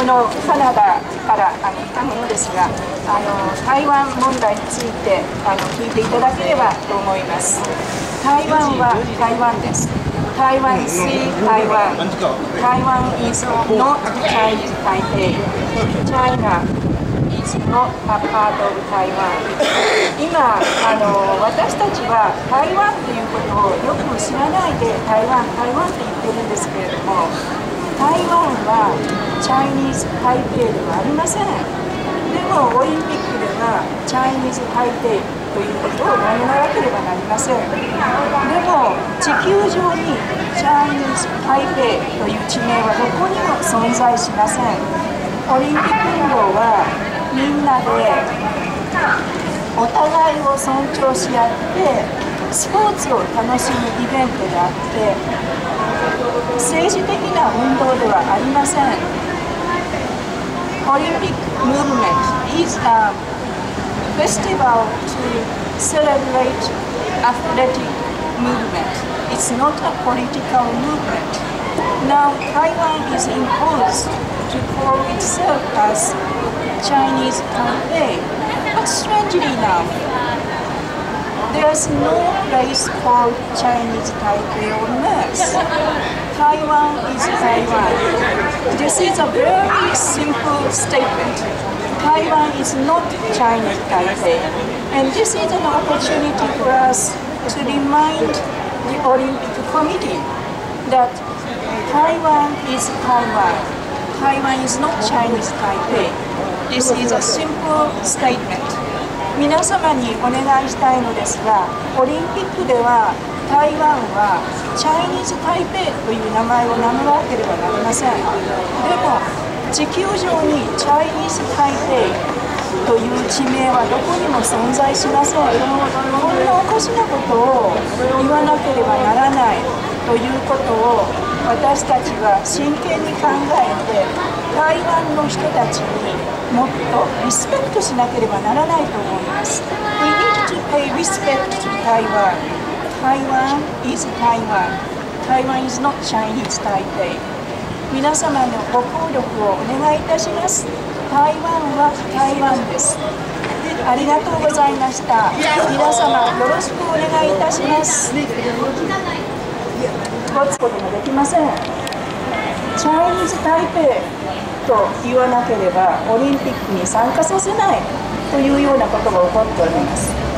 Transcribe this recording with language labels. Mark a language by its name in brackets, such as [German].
[Japanese] のカナダから来たものですが、台湾問題について聞いていただければと思います。台湾は台湾です。 [English] 台湾 is 台湾、台湾 is not Chinese Taipei、 China is not a part of Taiwan。 [Japanese] 今私たちは台湾ということをよく知らないで台湾台湾って言ってるんですけれども、台湾は Chinese Taipei ではありません。でもオリンピックではチャイニーズ・タイペイということを名乗らなければなりません。でも地球上にチャイニーズ・タイペイという地名はどこにも存在しません。オリンピック運動はみんなでお互いを尊重し合ってスポーツを楽しむイベントであって、政治的な運動ではありません。 [English] オリンピックムーブメント is a festival to celebrate athletic movement. It's not a political movement. Now, Taiwan is imposed to call itself as Chinese Taipei. But strangely enough, there's no place called Chinese Taipei on Earth. Taiwan is Taiwan. This is a very simple statement. Taiwan is not Chinese Taipei. And this is an opportunity for us to remind the Olympic Committee that Taiwan is Taiwan. Taiwan is not Chinese Taipei. This is a simple statement. [Japanese] 皆様にお願いしたいのですが、オリンピックでは台湾は Chinese Taipei という名前を名乗らなければなりません。でも地球上にチャイニーズ・タイペイという地名はどこにも存在しません。こんなおかしなことを言わなければならないということを私たちは真剣に考えて、台湾の人たちにもっとリスペクトしなければならないと思います。 [English] We need to pay respect to Taiwan. Taiwan is Taiwan. Taiwan is not Chinese Taipei. [Japanese] 皆様のご協力をお願いいたします。台湾は台湾です。ありがとうございました。皆様よろしくお願いいたします。持つこともできません。チャイニーズ・タイペイと言わなければオリンピックに参加させないというようなことが起こっております。